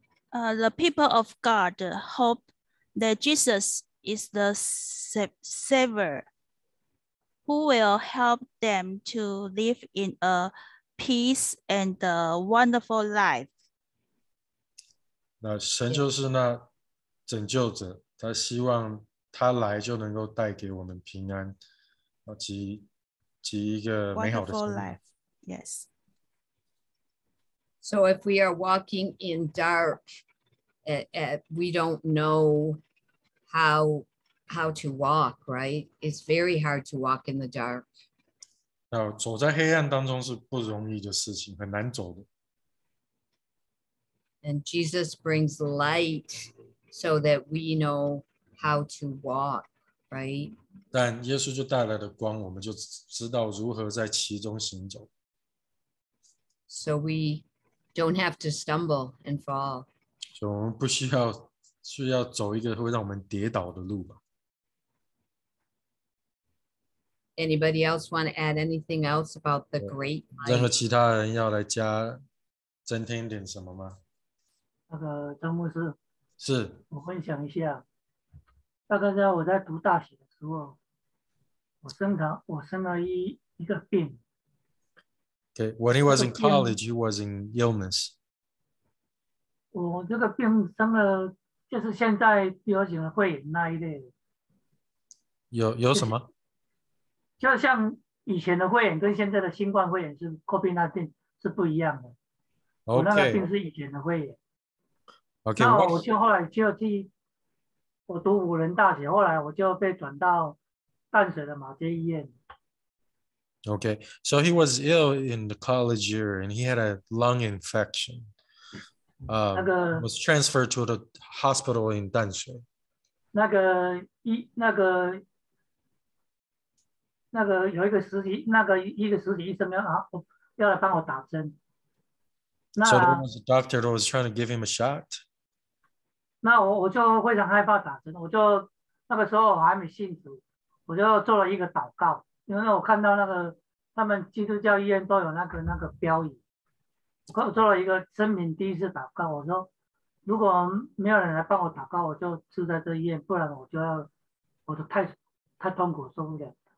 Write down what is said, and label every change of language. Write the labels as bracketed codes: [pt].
[en] The people of God hopeThat Jesus is the Savior who will help them to live in a peace and a wonderful life. [zh] 那神就是那拯救者，他希望他来就能够带给我们平安，及一个美好的生命。 [en] Wonderful life. Yes. So if we are walking in dark, we don't know how to walk, right? It's very hard to walk in the dark. [zh] 走在黑暗当中是不容易的事情，很难走的。 [en] And Jesus brings light so that we know how to walk, right? [zh] 但耶稣就带来的光，我们就知道如何在其中行走。 [en] So we don't have to stumble and fall. [zh] 所以我们不需要需要走一个会让我们跌倒的路吧。 [en] Anybody else want to add anything else about the great light? [zh] 任何其他人要来加增添点什么吗？那个张牧师，是我分享一下。大概在我在读大学的时候，我生了一个病。 [en] Okay, when he was in college, he was in illness. [zh] 我这个病生了，就是现在流行的肺炎那一类的。有什么？就像以前的肺炎跟现在的新冠肺炎是 COVID-19 是不一样的。 [en] Okay. [zh] 我那个病是以前的肺炎。 [en] Okay, [zh] 那我就后来就去，我读辅仁大学，后来我就被转到淡水的马偕医院。 [en] Okay, so he was ill in the college year, and he had a lung infection. Was transferred to the hospital in 淡水。 [zh] 那个有一个实习，那个一个实习医生要来帮我打针。 [en] So there was a doctor that was trying to give him a shot. [zh] 那我就非常害怕打针，我就那个时候我还没信主，我就做了一个祷告，因为我看到那个他们基督教医院都有那个标语，我做了一个生命第一次祷告，我说如果没有人来帮我祷告，我就住在这医院，不然我就太痛苦受不了。